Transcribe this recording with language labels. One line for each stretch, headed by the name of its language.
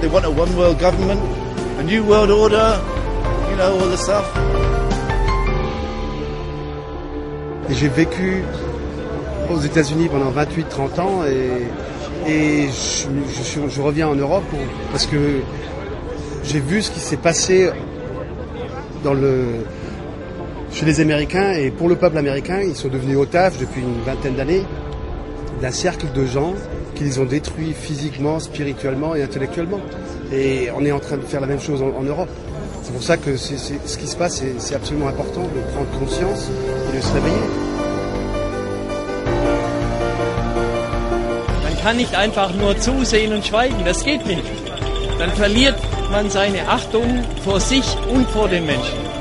English: They want a one world government, a new world order, you know, all the stuff.
French: Et j'ai vécu aux États-Unis pendant 28-30 ans et je reviens en Europe parce que j'ai vu ce qui s'est passé chez les Américains et pour le peuple américain. Ils sont devenus otages depuis une vingtaine d'années. D'un cercle de gens qui les ont détruits physiquement, spirituellement et intellectuellement. Et on est en train de faire la même chose en Europe. C'est pour ça que ce qui se passe, c'est absolument important de prendre conscience et de se réveiller.
German: Man kann nicht einfach nur zusehen und schweigen, das geht nicht. Dann verliert man seine Achtung vor sich und vor den Menschen.